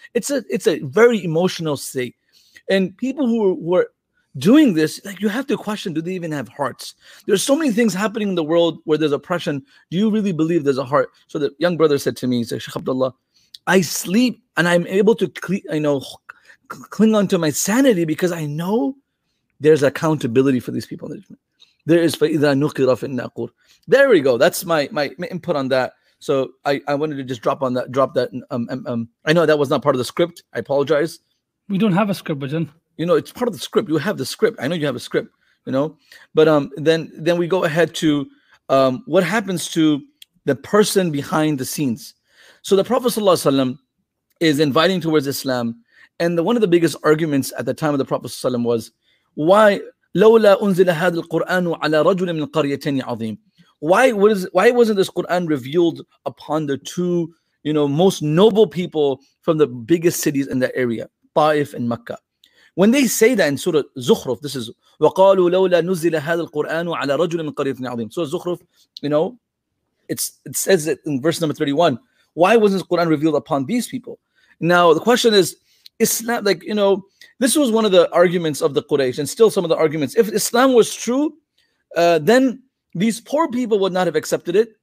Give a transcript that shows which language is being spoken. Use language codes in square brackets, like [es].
[en] It's a very emotional state. And people who are doing this, like, you have to question, do they even have hearts? There's so many things happening in the world where there's oppression. Do you really believe there's a heart? So the young brother said to me, he said, Sheikh Abdullah, I sleep and I'm able to cling on to my sanity because I know there's accountability for these people. There is [ar] فَإِذَا نُقِرَ فِي النَّاقُرِ. [en] There we go. That's my input on that. So I wanted to just drop that. I know that was not part of the script. I apologize. We don't have a script, Bajan. You know, it's part of the script. You have the script. I know you have a script, you know. But then we go ahead to what happens to the person behind the scenes. So the Prophet ﷺ is inviting towards Islam. And one of the biggest arguments at the time of the Prophet ﷺ was, why [ar] لولا أنزل هذا القرآن على رجل من قريتين عظيم. [en] Why wasn't this Quran revealed upon the two, you know, most noble people from the biggest cities in that area, Taif and Mecca? When they say that in Surah Zukhruf, this is [ar] وقالوا لولا نزل هذا القرآن على رجل من قريتين عظيم. [en] Surah Zukhruf, you know, it says it in verse number 31. Why wasn't this Quran revealed upon these people? Now the question is, Islam, like, you know, this was one of the arguments of the Quraysh, and still some of the arguments. If Islam was true, then these poor people would not have accepted it.